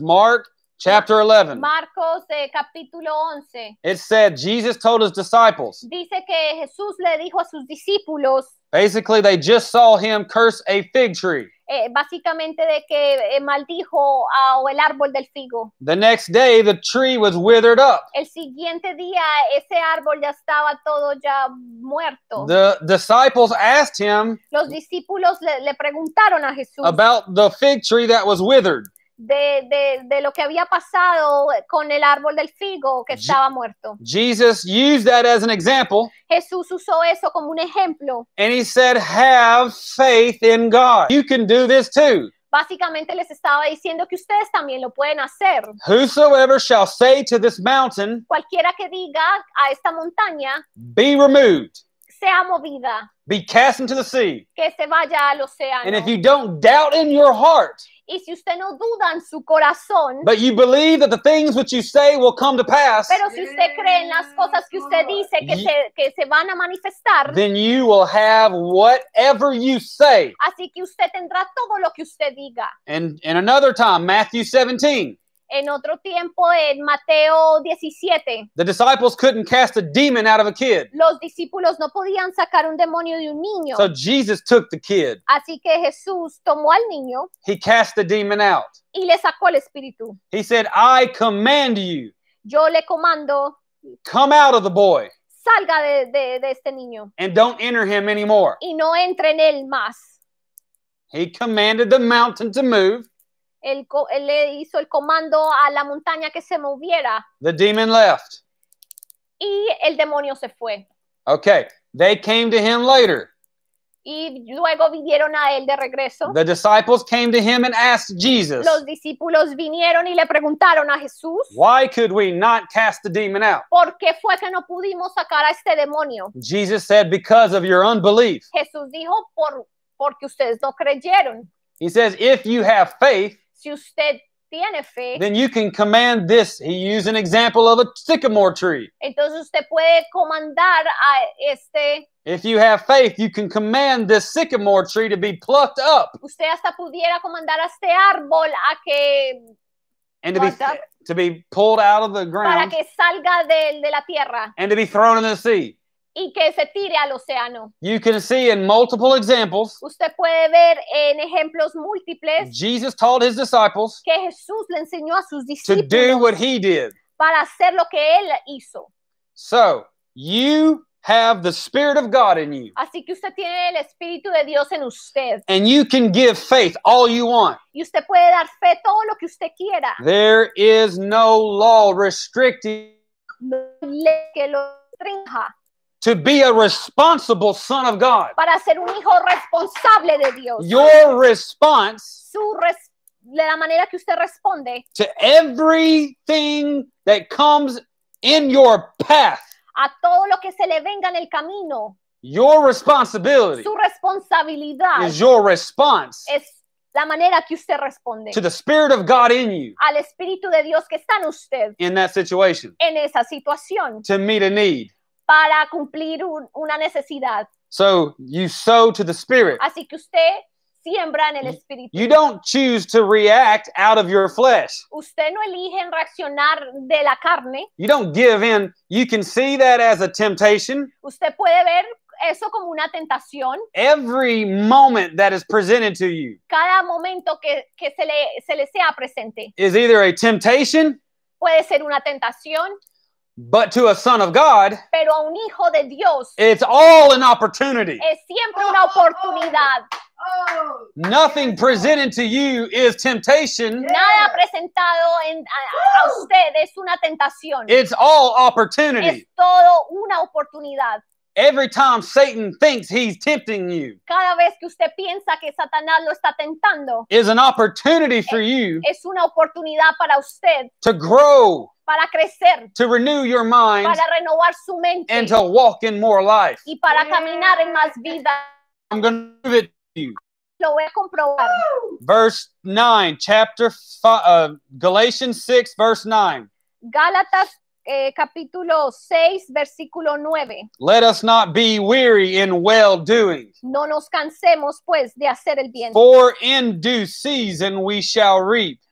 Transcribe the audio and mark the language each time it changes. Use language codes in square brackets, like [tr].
[en] Mark chapter 11. [es] Marcos capítulo 11. [en] It said Jesus told his disciples. [es] Dice que Jesús le dijo a sus discípulos. [en] Basically, they just saw him curse a fig tree. [es] básicamente de que maldijo a el árbol del figo. [en] The next day the tree was withered up. [es] El siguiente día ese árbol ya estaba todo ya muerto. [en] The disciples asked him. [es] Los discípulos le preguntaron a Jesús [en] about the fig tree that was withered. [es] De lo que había pasado con el árbol del figo que estaba muerto. [en] Jesus used that as an example. [es] Jesús usó eso como un ejemplo. [en] And he said, "Have faith in God. You can do this too." [es] Básicamente les estaba diciendo que ustedes también lo pueden hacer. [en] Whosoever shall say to this mountain, [es] cualquiera que diga a esta montaña, [en] be removed. [es] Sea movida. [en] Be cast into the sea. [es] Que se vaya al océano. [en] And if you don't doubt in your heart, [es] y si usted no duda en su corazón, [en] but you believe that the things which you say will come to pass, [es] pero si usted cree en las cosas que usted dice que se van a manifestar, [en] then you will have whatever you say. [es] Así que usted tendrá todo lo que usted diga. [en] And in another time, Matthew 17. [es] En otro tiempo, en Mateo 17, [en] the disciples couldn't cast a demon out of a kid. [es] Los discípulos no podían sacar un demonio de un niño. [en] So Jesus took the kid. [es] Así que Jesús tomó al niño. [en] He cast the demon out. [es] Y le sacó el espíritu. [en] He said, "I command you." [es] Yo le comando. [en] Come out of the boy. [es] Salga de este niño. [en] And don't enter him anymore. [es] Y no entre en él más. [en] He commanded the mountain to move. [es] Él le hizo el comando a la montaña que se moviera. [en] The demon left. [es] Y el demonio se fue. [en] Okay, they came to him later. [es] Y luego vinieron a él de regreso. [en] The disciples came to him and asked Jesus. [es] Los discípulos vinieron y le preguntaron a Jesús. [en] Why could we not cast the demon out? [es] ¿Por qué fue que no pudimos sacar a este demonio? [en] Jesus said, because of your unbelief. [es] Jesús dijo, porque ustedes no creyeron. [en] He says, if you have faith, [es] si usted tiene fe, [en] then you can command this. He used an example of a sycamore tree. [es] Entonces usted puede comandar a este. [en] If you have faith, you can command this sycamore tree to be plucked up. [es] Usted hasta pudiera comandar a este árbol a que [en] and to be pulled out of the ground. [es] Para que salga de la tierra. [en] And to be thrown in the sea. [es] Y que se tire al océano. [en] You can see in multiple examples. [es] Usted puede ver en ejemplos múltiples. [en] Jesus taught his disciples. [es] Que Jesús le enseñó a sus discípulos. [en] To do what he did. [es] Para hacer lo que él hizo. [en] So, you have the Spirit of God in you. [es] Así que usted tiene el Espíritu de Dios en usted. [en] And you can give faith all you want. [es] Y usted puede dar fe todo lo que usted quiera. [en] There is no law restricting. [es] No ley que lo restrinja. [en] To be a responsible son of God. [es] Para ser un hijo responsable de Dios. [en] Your response. [es] De la manera que usted responde. [en] To everything that comes in your path. [es] A todo lo que se le venga en el camino. [en] Your responsibility. [es] Su responsabilidad. [en] Is your response. [es] Es la manera que usted responde. [en] To the Spirit of God in you. [es] Al Espíritu de Dios que está en usted. [en] In that situation. [es] En esa situación. [en] To meet a need. [es] Para cumplir una necesidad. [en] So you sow to the Spirit. [es] Así que usted siembra en el Espíritu. [en] You don't choose to react out of your flesh. [es] Usted no elige reaccionar de la carne. [en] You don't give in. You can see that as a temptation. [es] Usted puede ver eso como una tentación. [en] Every moment that is presented to you. [es] Cada momento que se le sea presente. [en] Is either a temptation. [es] Puede ser una tentación. [en] But to a son of God, [es] pero a un hijo de Dios, [en] it's all an opportunity. [es] Es siempre una oportunidad. [en] Nothing presented to you is temptation. [es] Nada presentado a usted es una tentación. [en] It's all opportunity. [es] Es todo una oportunidad. [en] Every time Satan thinks he's tempting you, [es] cada vez que usted piensa que Satanás lo está tentando, [en] is an opportunity for you. [es] Es una oportunidad para usted [en] to grow. [es] Para crecer, [en] to renew your mind. [es] Para renovar su mente, [en] and to walk in more life. [es] Y para caminar en más vida. [en] I'm going to prove it to you. [es] Lo voy a comprobar. [en] Verse 9, chapter 5, Galatians 6, verse 9. [es] Gálatas, capítulo 6, versículo 9. [en] Let us not be weary in well doing. [es] No nos cansemos, pues, de hacer el bien. [en] For in due season we shall reap.